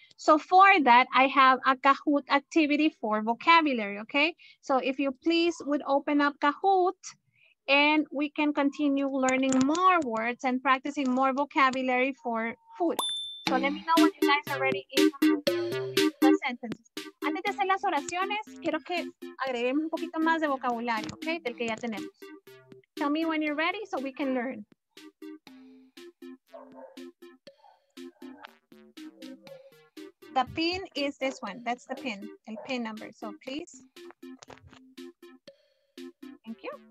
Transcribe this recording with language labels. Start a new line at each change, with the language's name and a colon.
English: So for that, I have a Kahoot activity for vocabulary, okay? So if you please would open up Kahoot and we can continue learning more words and practicing more vocabulary for food. So let me know when you guys are ready in the sentences.
Spanish: Antes de hacer las oraciones, quiero que agreguemos un poquito más de vocabulario, okay, del que ya tenemos.
English: Tell me when you're ready so we can learn. The pin is this one. That's the pin, el pin number. So please. Thank you.